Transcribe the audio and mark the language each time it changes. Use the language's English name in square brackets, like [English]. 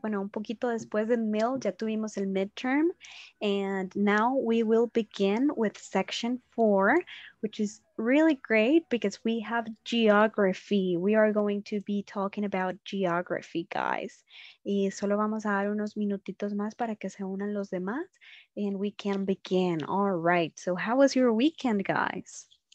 [Spanish] Bueno, un poquito después del middle, ya tuvimos el midterm. [English] And now we will begin with section 4, which is really great because we have geography. We are going to be talking about geography, guys. [Spanish] Y solo vamos a dar unos minutitos más para que se unan los demás. [English] And we can begin. All right. So how was your weekend, guys?